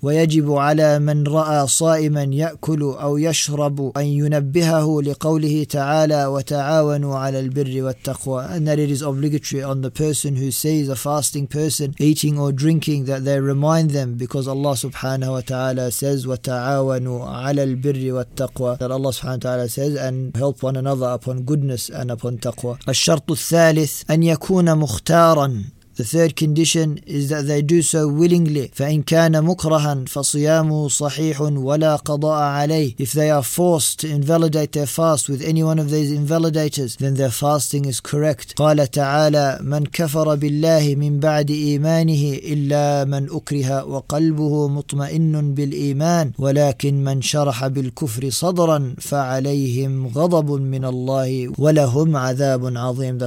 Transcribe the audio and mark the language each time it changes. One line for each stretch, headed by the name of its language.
Arabic: وَيَجِبُ عَلَى مَنْ رَأَى صَائِمًا يَأْكُلُ أَوْ يَشْرَبُ أَنْ يُنَبِّهَهُ لِقَوْلِهِ تَعَالَى وَتَعَاوَنُوا عَلَى الْبِرِّ وَالتَّقْوَى.
English: And that it is obligatory on the person who sees a fasting person eating or drinking that they remind them, because Allah subhanahu wa ta'ala says,
Arabic: وَتَعَاوَنُوا عَلَى الْبِرِّ وَالتَّقْوَى,
English: that Allah subhanahu wa ta'ala says, and help one another upon goodness and upon taqwa.
Arabic: الشرط الثالث أن يكون مختارا.
English: The third condition is that they do so willingly.
Arabic: فَإِنْ كَانَ مُكْرَهًا فَصِيَامُ صَحِيحٌ وَلَا قَضَاءَ عَلَيْهِ.
English: If they are forced to invalidate their fast with any one of these invalidators, then their fasting is correct.
Arabic: قَالَ تَعَالَى مَنْ كَفَرَ بِاللَّهِ مِنْ بَعْدِ إِيمَانِهِ إِلَّا مَنْ أُكْرِهَ وَقَلْبُهُ مُطْمَئِنٌّ بِالْإِيمَانِ وَلَكِنْ مَنْ شَرَحَ بِالْكُفْرِ صَدْرًا فَعَلَيْهِمْ غَضَبٌ مِنَ اللَّهِ وَلَهُمْ عَذَابٌ عَظِيمٌ.